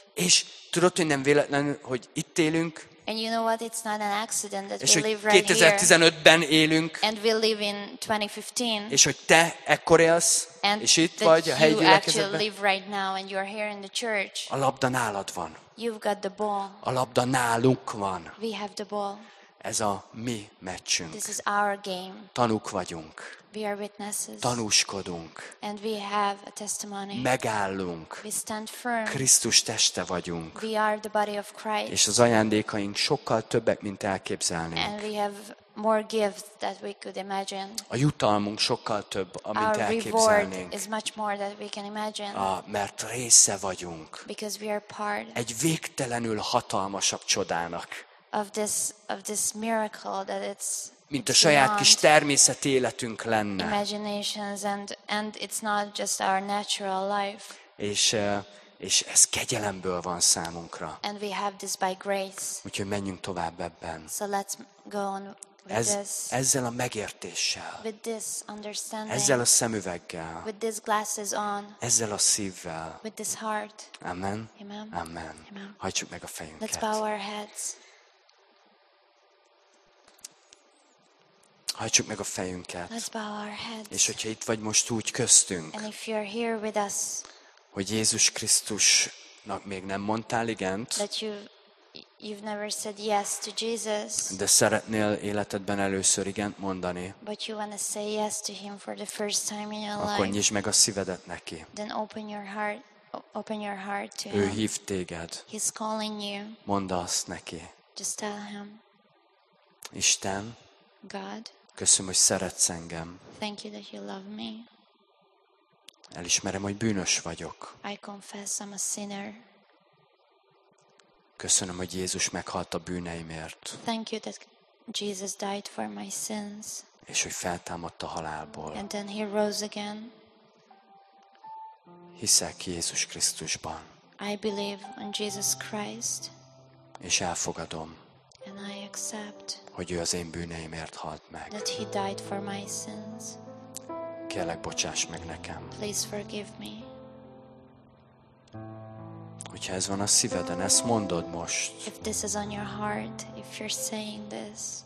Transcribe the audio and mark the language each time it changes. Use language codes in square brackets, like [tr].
[hu] És tudod, hogy nem véletlenül, hogy itt élünk. [en] And you know what? It's not an accident that we live right here. [hu] És hogy 2015-ben élünk. [en] And we live in 2015. [hu] És hogy te ekkor élsz, [en] and [hu] és itt vagy a helyi gyülekezetben. [en] You actually live right now and you're here in the church. [hu] A labda nálad van. [en] You've got the ball. [hu] A labda nálunk van. [en] We have the ball. [hu] Ez a mi meccsünk. [en] This is our game. [hu] Tanúk vagyunk. [en] We are witnesses. [hu] Tanúskodunk. [en] And we have a testimony. [hu] Megállunk. [en] We stand firm. [hu] Krisztus teste vagyunk. [en] We are the body of Christ. [hu] És az ajándékaink sokkal többek, mint elképzelnénk. [en] And we have more gifts that we could imagine. [hu] A jutalmunk sokkal több, amit [en] our [hu] elképzelnénk. [en] Our reward is much more than we can imagine. [hu] Mert része vagyunk. [en] Because we are part. [hu] Egy végtelenül hatalmasabb csodának. [en] Of this miracle that it's [hu] mint a saját kis természeti életünk lenne. [en] Imaginations and it's not just our natural life. [hu] És ez kegyelemből van számunkra. [en] And we have this by grace. [hu] Úgyhogy menjünk tovább ebben. [en] So let's go on with this. [hu] Ezzel a megértéssel. [en] With this understanding. [hu] Ezzel a szemüveggel. [en] With these glasses on. [hu] Ezzel a szívvel. [en] With this heart. [hu] Amen. [en] Amen. [hu] Amen. Hajtsuk meg a fejünket. [en] Let's bow our heads. [hu] Hajtsuk meg a fejünket. [en] Let's bow our heads. [hu] És hogyha itt vagy most úgy köztünk, [en] and if you're here with us, [hu] hogy Jézus Krisztusnak még nem mondtál igent, [en] that you've never said yes to Jesus, [hu] de szeretnél életedben először igent mondani, [en] but you wanna say yes to him for the first time in your life, [hu] akkor nyisd meg a szívedet neki. [en] Then open your heart to him. [hu] Ő hív téged. [en] He's calling you. [hu] Mondd azt neki. [en] Just tell him. [hu] Isten, [en] God. [hu] Köszönöm, hogy szeretsz engem. [en] Thank you that you love me. [hu] Elismerem, hogy bűnös vagyok. [en] I confess I'm a sinner. [hu] Köszönöm, hogy Jézus meghalt a bűneimért. [en] Thank you that Jesus died for my sins. [hu] És hogy feltámadt a halálból. [en] And then he rose again. [hu] Hiszek Jézus Krisztusban. [en] I believe in Jesus Christ. [hu] És elfogadom. [en] And I accept, [hu] hogy ő az én bűneimért halt meg. [en] That he died for my sins. [hu] Kérlek, bocsáss meg nekem. [en] Please forgive me. [hu] Hogyha ez van a szíveden, ezt mondod most. [en] If this is on your heart, if you're saying this.